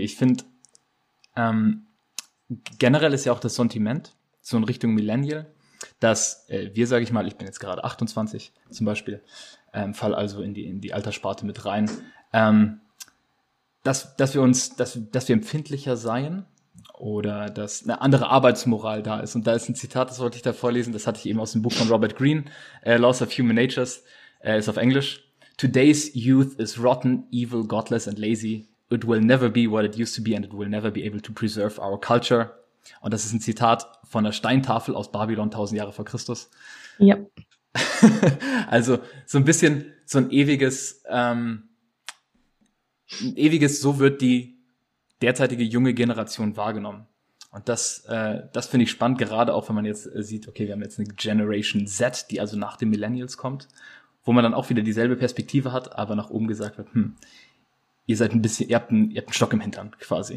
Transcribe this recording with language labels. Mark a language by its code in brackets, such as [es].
[de] Ich finde, generell ist ja auch das Sentiment so in Richtung Millennial, dass wir, sage ich mal, ich bin jetzt gerade 28 zum Beispiel, fall also in die Alterssparte mit rein, dass wir empfindlicher seien oder dass eine andere Arbeitsmoral da ist. Und da ist ein Zitat, das wollte ich da vorlesen, das hatte ich eben aus dem Buch von Robert Greene, Laws of Human Natures, ist auf Englisch. [en] Today's youth is rotten, evil, godless and lazy. It will never be what it used to be and it will never be able to preserve our culture. [de] Und das ist ein Zitat von der Steintafel aus Babylon 1000 Jahre vor Christus. Ja. Also so ein bisschen so ein ewiges, so wird die derzeitige junge Generation wahrgenommen. Und das finde ich spannend, gerade auch wenn man jetzt sieht, okay, wir haben jetzt eine Generation Z, die also nach den Millennials kommt, wo man dann auch wieder dieselbe Perspektive hat, aber nach oben gesagt wird, ihr habt einen Stock im Hintern quasi.